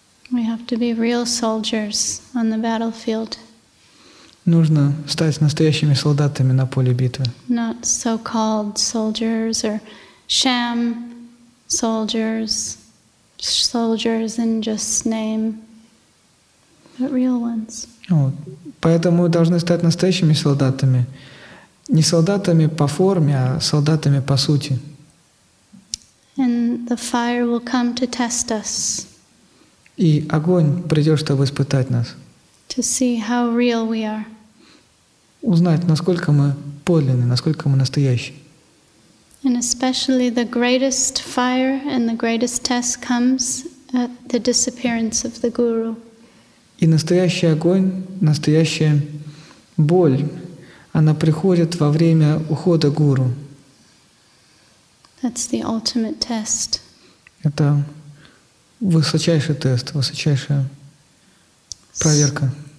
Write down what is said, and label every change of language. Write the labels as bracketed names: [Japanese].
[English] We have to be real soldiers on the battlefield. [Russian] Нужно стать настоящими солдатами на поле битвы. [English] Not so-called soldiers or sham soldiers, soldiers in just name, but real ones. [Russian] Поэтому мы должны стать настоящими солдатами. Не солдатами по форме, а солдатами по сути. [English] And the fire will come to test us. [Russian] И огонь придет, чтобы испытать нас. [English] To see how real we are. [Russian] Узнать, насколько мы подлинны, насколько мы настоящие. [English] And especially the greatest fire and the greatest test comes at the disappearance of the guru. [Russian] И настоящий огонь, настоящая боль, она приходит во время ухода гуру. [English] That's the ultimate test. [Russian] Это высочайший тест, высочайшая проверка.